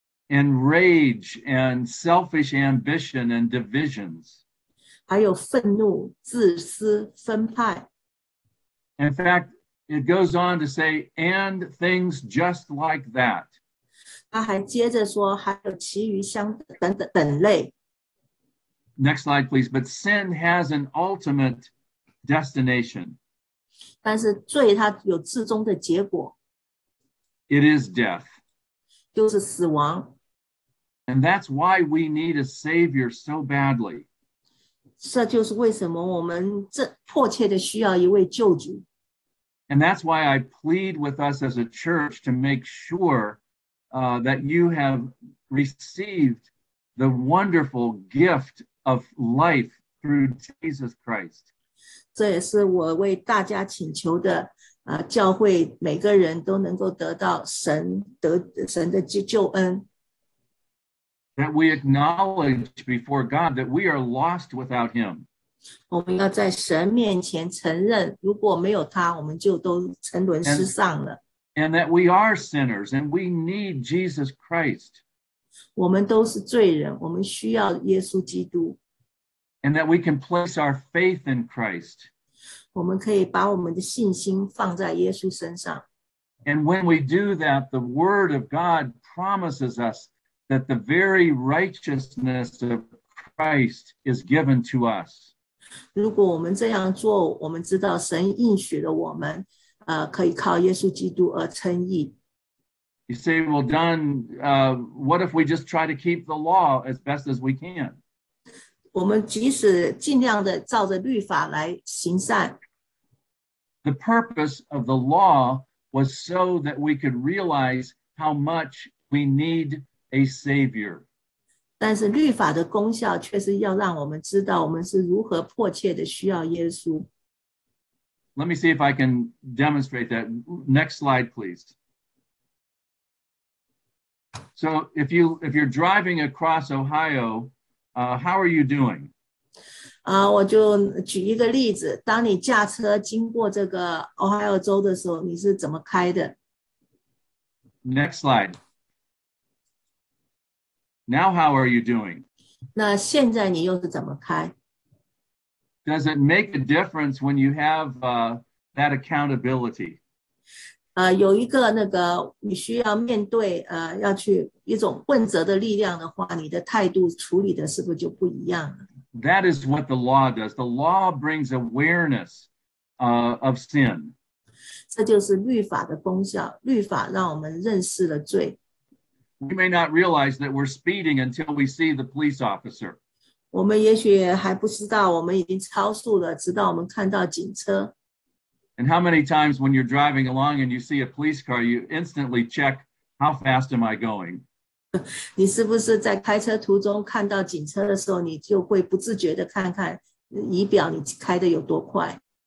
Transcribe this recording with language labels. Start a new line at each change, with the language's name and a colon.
English: And rage and selfish ambition and divisions.
Chinese: 还有愤怒、自私、分派。
English: In fact, it goes on to say, and things just like that.
Chinese: 他还接着说，还有其余相等等等类。
English: Next slide, please. But sin has an ultimate destination.
Chinese: 但是罪它有至终的结果。
English: It is death.
Chinese: 就是死亡。
English: And that's why we need a savior so badly.
Chinese: 这就是为什么我们这迫切的需要一位救主。
English: And that's why I plead with us as a church to make sure that you have received the wonderful gift of life through Jesus Christ.
Chinese: 这也是我为大家请求的，教会每个人都能够得到神的救恩。
English: That we acknowledge before God that we are lost without him.
Chinese: 我们要在神面前承认，如果没有他，我们就都沉沦失丧了。
English: And that we are sinners and we need Jesus Christ.
Chinese: 我们都是罪人，我们需要耶稣基督。
English: And that we can place our faith in Christ.
Chinese: 我们可以把我们的信心放在耶稣身上。
English: And when we do that, the word of God promises us that the very righteousness of Christ is given to us.
Chinese: 如果我们这样做，我们知道神应许了我们，可以靠耶稣基督而称义。
English: You say, well, Don, what if we just try to keep the law as best as we can?
Chinese: 我们即使尽量的照着律法来行善。
English: The purpose of the law was so that we could realize how much we need a savior.
Chinese: 但是律法的功效却是要让我们知道我们是如何迫切的需要耶稣。
English: Let me see if I can demonstrate that. Next slide, please. So if you're driving across Ohio, how are you doing?
Chinese: 我就举一个例子，当你驾车经过这个 Ohio 州的时候，你是怎么开的？
English: Next slide. Now how are you doing?
Chinese: 那现在你又是怎么开？
English: Does it make a difference when you have that accountability?
Chinese: 有一个那个你需要面对要去一种问责的力量的话，你的态度处理的是不是就不一样了？
English: That is what the law does. The law brings awareness of sin.
Chinese: 这就是律法的功效，律法让我们认识了罪。
English: We may not realize that we're speeding until we see the police officer.
Chinese: 我们也许还不知道我们已经超速了，直到我们看到警车。
English: And how many times when you're driving along and you see a police car, you instantly check, how fast am I going?
Chinese: 你是不是在开车途中看到警车的时候，你就会不自觉的看看仪表你开的有多快？